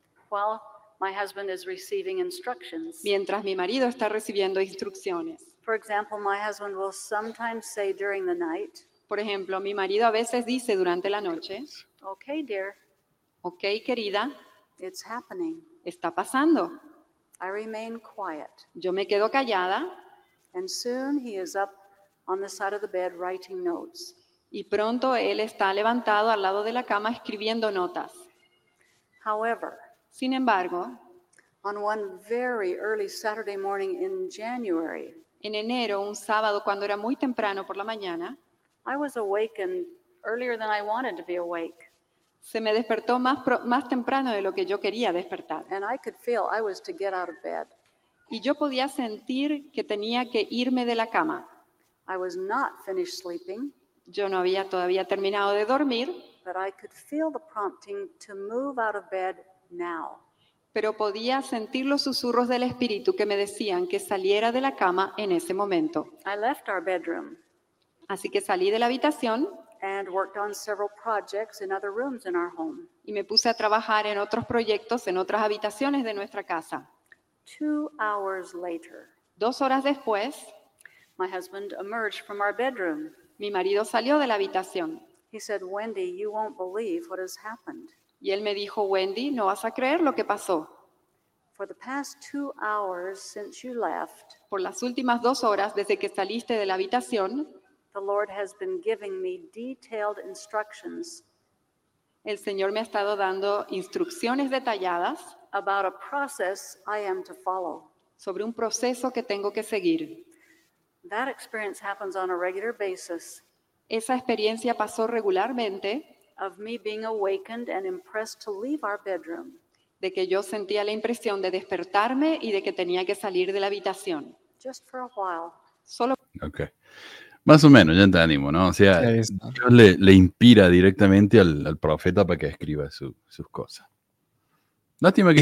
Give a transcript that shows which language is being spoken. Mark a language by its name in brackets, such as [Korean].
[English] While my husband is receiving instructions. [Spanish] Mientras mi marido está recibiendo instrucciones. [English] For example, my husband will sometimes say during the night. [Spanish] Por ejemplo, mi marido a veces dice durante la noche. [English] Okay, dear. [Spanish] Okay, querida. [English] It's happening. [Spanish] Está pasando. [English] I remain quiet. [Spanish] Yo me quedo callada. [English] And soon he is up on the side of the bed writing notes. [Spanish] Y pronto él está levantado al lado de la cama escribiendo notas. [English] However, [Spanish] sin embargo, [English] on one very early Saturday morning in January, [Spanish] en enero, un sábado, cuando era muy temprano por la mañana, [English] I was awakened earlier than I wanted to be awake. [Spanish] Se me despertó más temprano de lo que yo quería despertar. [English] And I could feel I was to get out of bed. [Spanish] Y yo podía sentir que tenía que irme de la cama. [English] I was not finished sleeping. [Spanish] Yo no había todavía terminado de dormir. [English] But I could feel the prompting to move out of bed now. [Spanish] Pero podía sentir los susurros del espíritu que me decían que saliera de la cama en ese momento. [English] I left our bedroom. [Spanish] Así que salí de la habitación. [English] and worked on several projects in other rooms in our home. [Spanish] Y me puse a trabajar en otros proyectos en otras habitaciones de nuestra casa. [English] 2 hours later, [Spanish] 2 horas después, [English] my husband emerged from our bedroom. [Spanish] Mi marido salió de la habitación. [English] He said, "Wendy, you won't believe what has happened." [Spanish] Y él me dijo, "Wendy, no vas a creer lo que pasó." [English] For the past 2 hours since you left, [Spanish] por las últimas 2 horas desde que saliste de la habitación, [English] the Lord has been giving me detailed instructions. [Spanish] El Señor me ha estado dando instrucciones detalladas [English] about a process I am to follow. [Spanish] Sobre un proceso que tengo que seguir. [English] That experience happens on a regular basis. [Spanish] Esa experiencia pasó regularmente. [English] Of me being awakened and impressed to leave our bedroom. [Spanish] De que yo sentía la impresión de despertarme y de que tenía que salir de la habitación. [English] Just for a while. [Spanish] Solo. [English] Okay. [Spanish] Más o menos, ya te animo, ¿no? O sea, Dios le inspira directamente al profeta para que escriba sus cosas. Lástima que